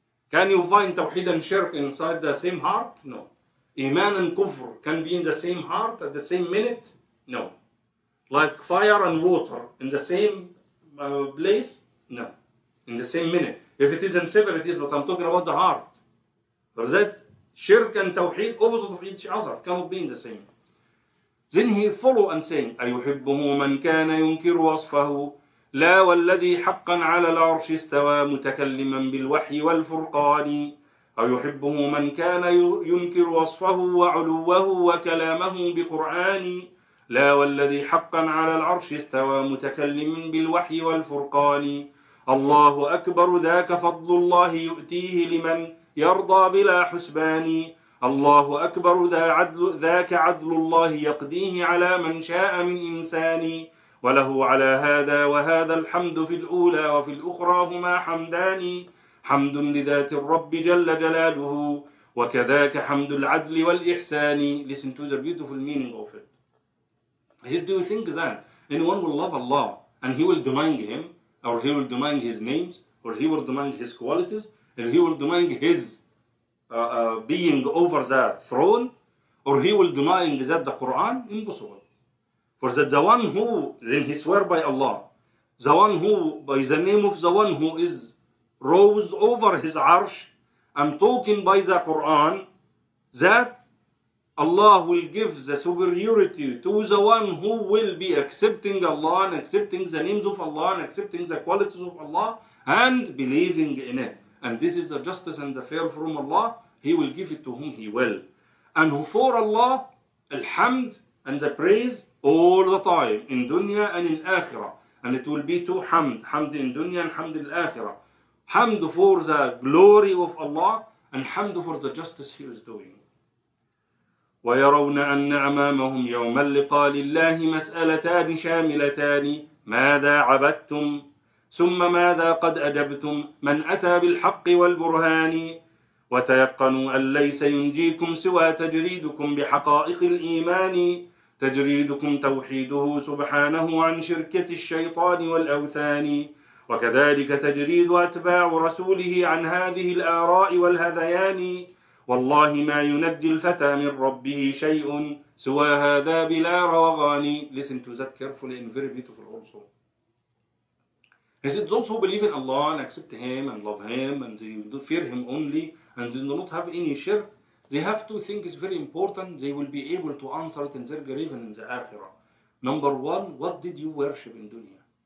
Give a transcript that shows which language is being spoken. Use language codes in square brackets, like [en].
[en] Can you find tawheed and shirk inside the same heart? No. Iman and kufr can be in the same heart at the same minute? No. Like fire and water in the same place? No. In the same minute. If it is in separate, it is, but I'm talking about the heart. For that, shirk and tawheed, opposite of each other, cannot be in the same. Then he follow and saying, [ar] أَيُحِبُّهُ مَنْ كَانَ يُنْكِرُ وَصْفَهُ لَا وَالَّذِي حَقًّا عَلَى الْعَرْشِ اسْتَوَى مُتَكَلِّمًا بِالْوَحْيِ وَالْفُرْقَانِ أَيُحِبُّهُ مَنْ كَانَ يُنْكِرُ وَصْفَهُ وَعُلُوَّهُ وَكَلَامَهُ بِقُرْآنِ لا والذي حقا على العرش استوى متكلم بالوحي والفرقان الله أكبر ذاك فضل الله يؤتيه لمن يرضى بلا حسبان الله أكبر ذاك عدل الله يقديه على من شاء من إنسان وله على هذا وهذا الحمد في الأولى وفي الأخرى هما حمدان حمد لذات الرب جل جلاله وكذاك حمد العدل والإحسان. [en] Listen to the beautiful meaning of it. Do you think that anyone will love Allah and he will demand him, or he will demand his names, or he will demand his qualities, and he will demand his being over the throne, or he will demand that the Quran? Impossible. For that the one who, then he swear by Allah, the one who, by the name of the one who is rose over his arsh and talking by the Quran, that Allah will give the superiority to the one who will be accepting Allah and accepting the names of Allah and accepting the qualities of Allah and believing in it. And this is the justice and the fair from Allah. He will give it to whom he will. And for Allah, alhamd and the praise all the time in dunya and in akhirah. And it will be two hamd, hamd in dunya and hamd in akhirah. Hamd for the glory of Allah and hamd for the justice he is doing. [ar] ويرون أن أمامهم يوم اللقاء لله مسألتان شاملتان ماذا عبدتم ثم ماذا قد أجبتم من أتى بالحق والبرهان وتيقنوا أن ليس ينجيكم سوى تجريدكم بحقائق الإيمان تجريدكم توحيده سبحانه عن شركة الشيطان والأوثان وكذلك تجريد أتباع رسوله عن هذه الآراء والهذيان والله ما ينجي الفتى من ربه شيء سوى هذا بلا رواغاني. [en] Listen to that carefully and very beautiful also. He said those who believe in Allah and accept Him and love Him and they fear Him only and they do not have any shirk, they have two things very important. They will be able to answer it in their grave and in the Akhirah. Number one, what did you worship in dunya?